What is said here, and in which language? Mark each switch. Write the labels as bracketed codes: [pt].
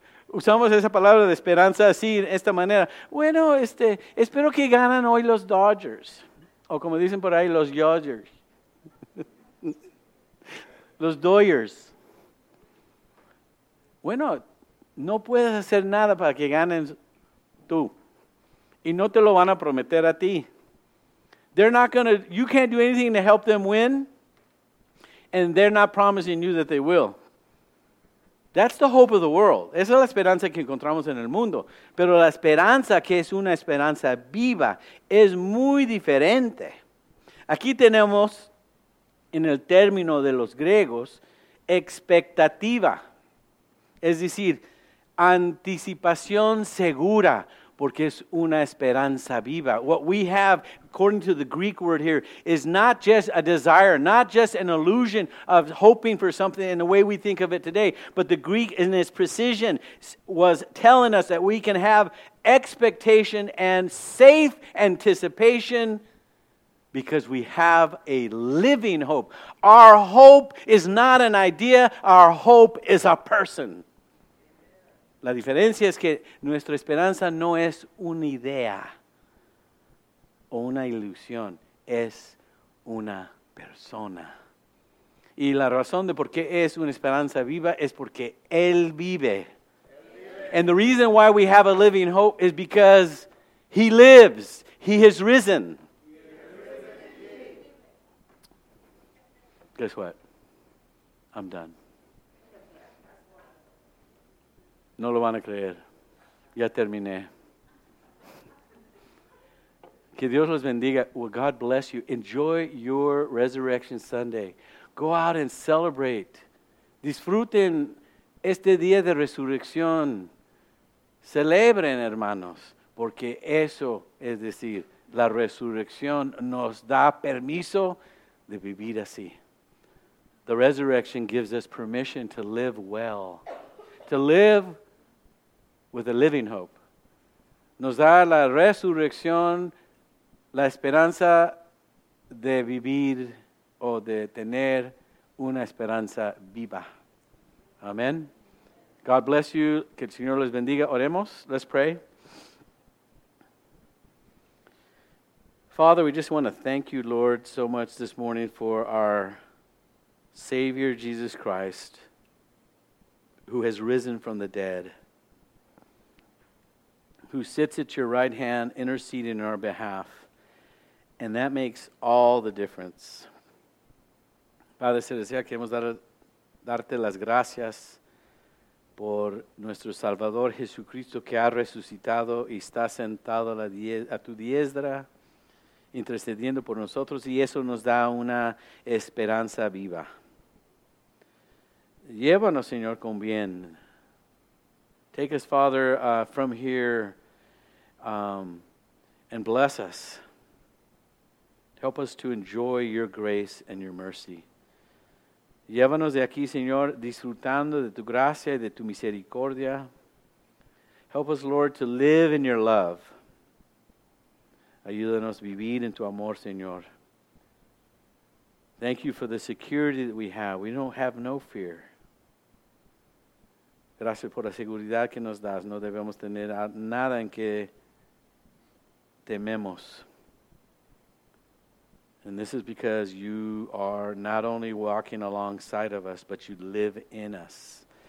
[es] Usamos esa palabra de esperanza así, de esta manera. Bueno, espero que ganen hoy los Dodgers. O como dicen por ahí, los Dodgers. Los Dodgers. Bueno, no puedes hacer nada para que ganen tú. Y no te lo van a prometer a ti. [en] You can't do anything to help them win. And they're not promising you that they will. That's the hope of the world. [es] Esa es la esperanza que encontramos en el mundo. Pero la esperanza que es una esperanza viva es muy diferente. Aquí tenemos, en el término de los griegos, expectativa. Es decir, anticipación segura. Porque es una esperanza viva. [en] What we have, according to the Greek word here, is not just a desire, not just an illusion of hoping for something in the way we think of it today, but the Greek, in its precision, was telling us that we can have expectation and safe anticipation Because we have a living hope. Our hope is not an idea. Our hope is a person. [es] La diferencia es que nuestra esperanza no es una idea o una ilusión. Es una persona. Y la razón de por qué es una esperanza viva es porque Él vive. [en] And the reason why we have a living hope is because He lives. He has risen. Guess what? I'm done. [es] No lo van a creer. Ya terminé. Que Dios los bendiga. [en] Well, God bless you. Enjoy your Resurrection Sunday. Go out and celebrate. [es] Disfruten este día de resurrección. Celebren, hermanos, porque eso es decir, la resurrección nos da permiso de vivir así. [en] The resurrection gives us permission to live well, to live with a living hope. [es] Nos da la resurrección la esperanza de vivir o de tener una esperanza viva. Amen. [en] God bless you. [es] Que el Señor les bendiga. Oremos. [en] Let's pray. Father, we just want to thank you, Lord, so much this morning for our Savior Jesus Christ, who has risen from the dead, who sits at your right hand interceding on our behalf, and that makes all the difference. [es] Padre Celestial, queremos darte las gracias por nuestro Salvador Jesucristo que ha resucitado y está sentado a tu diestra, intercediendo por nosotros, y eso nos da una esperanza viva. Llévanos, Señor, con bien. [en] Take us, Father, from here and bless us. Help us to enjoy your grace and your mercy. [es] Llévanos de aquí, Señor, disfrutando de tu gracia y de tu misericordia. [en] Help us, Lord, to live in your love. [es] Ayúdanos a vivir en tu amor, Señor. [en] Thank you for the security that we have. We don't have no fear. [es] Gracias por la seguridad que nos das. No debemos tener nada en que tememos. [en] And this is because you are not only walking alongside of us, but you live in us.